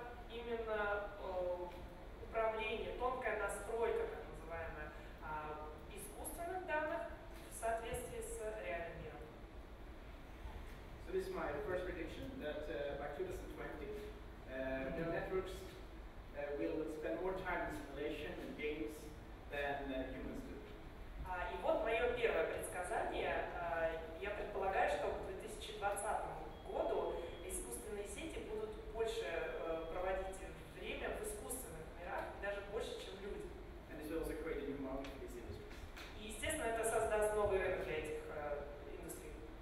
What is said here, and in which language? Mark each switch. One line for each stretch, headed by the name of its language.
Russian: именно управление, тонкая настройка, так называемая, искусственных данных в соответствии с реальным миром.
English: So this is my first prediction, that by 2020, neural networks will spend more time in simulation and games than humans do.
Russian: И вот мое первое предсказание. Я предполагаю, что к 2020 году искусственные сети будут больше проводить время в искусственных мирах, даже больше, чем люди.
English: And this will also create a new market for these industries.
Russian: И, естественно, это создаст новый рынок для этих индустрий.